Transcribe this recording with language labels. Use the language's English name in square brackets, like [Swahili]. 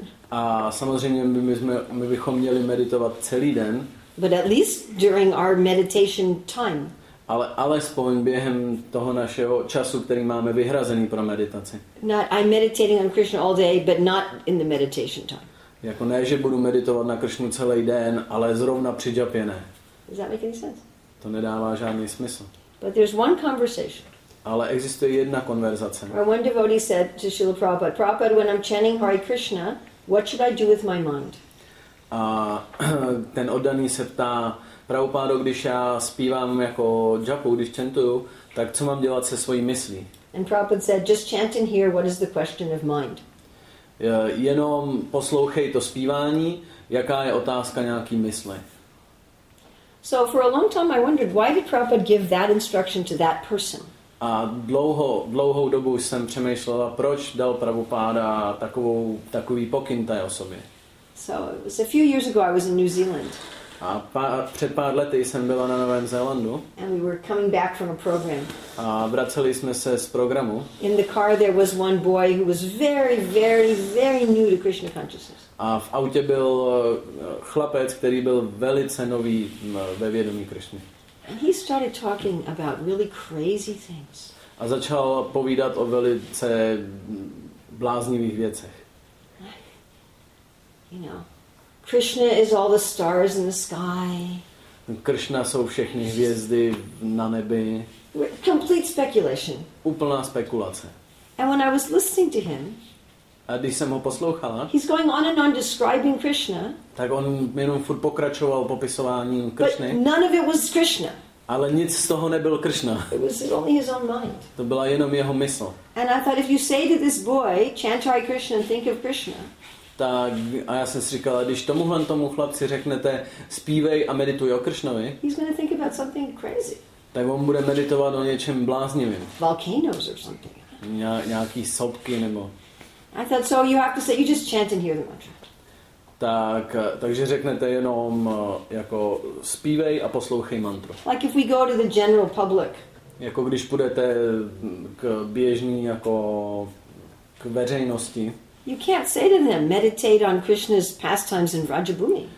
[Czech] A samozřejmě my bychom měli meditovat celý den. [English] But at least during our meditation time. [Czech] Ale alespoň během toho našeho času, který máme vyhrazený pro meditaci. [English] Not, I'm meditating on Krishna all day, but not in the meditation time. [Czech] Jako ne, že budu meditovat na Krishnu celý den, ale zrovna při džapě ne. [English] Does that make any sense? [Czech] To nedává žádný smysl. [English] But there's one conversation. [Czech] Ale existuje jedna konverzace. [English] Or one devotee said to Srila Prabhupada, Prabhupada, when I'm chanting Hare Krishna, what should I do with my mind? [Czech] A ten oddaný se ptá, Prabhupádo, když já zpívám jako džapu, když chantuju, tak co mám dělat se svojí myslí? [English] And Prabhupada said, just chant and hear what is the question of mind. [Czech] Jenom poslouchej to zpívání, jaká je otázka nějaký mysli. [English] So for a long time I wondered, why did Prabhupada give that instruction to that person? [Czech] A dlouhou dobu jsem přemýšlela, proč dal Prabhupáda takový pokyn té osobě. [English] So it was a few years ago I was in New Zealand. [Czech] A před pár lety jsem byla na Novém Zélandu. [English] And we were coming back from a program. [Czech] A vraceli jsme se z programu. [English] In the car there was one boy who was very, very, very new to Krishna consciousness. [Czech] A v autě byl chlapec, který byl velice nový ve vědomí Krishny. [English] And he started talking about really crazy things. [Czech] A začal povídat o velice bláznivých věcech. [English] You know, Krishna is all the stars in the sky. [Czech] Krishna jsou všechny hvězdy na nebi. [English] Complete speculation. [Czech] Úplná spekulace. [English] And when I was listening to him, [Czech] a když jsem ho poslouchala, [English] he's going on and on describing Krishna. [Czech] Tak on jenom furt pokračoval popisováním Krishny. [English] But none of it was Krishna. [Czech] Ale nic z toho nebyl Krishna. [English] It was only his own mind. [Czech] To byla jenom jeho mysl. [English] And I thought, if you say to this boy, chant Hare Krishna and think of Krishna. [Czech] Tak a já jsem si říkala, když tomu chlapci řeknete, zpívej a medituj o Krishnovi. [English] He's going to think about something crazy. [Czech] Tak on bude meditovat o něčem bláznivým. [English] Volcanoes or something. [Czech] Nějaký sopky nebo. [English] I thought, so you have to say, you just chant and hear the mantra. [Czech] Takže řeknete jenom jako zpívej a poslouchej mantru. [English] Like if we go to the general public. [Czech] Jako když půjdete k běžný jako k veřejnosti. [English] You can't say to them, meditate on Krishna's pastimes in Vrajabhumi.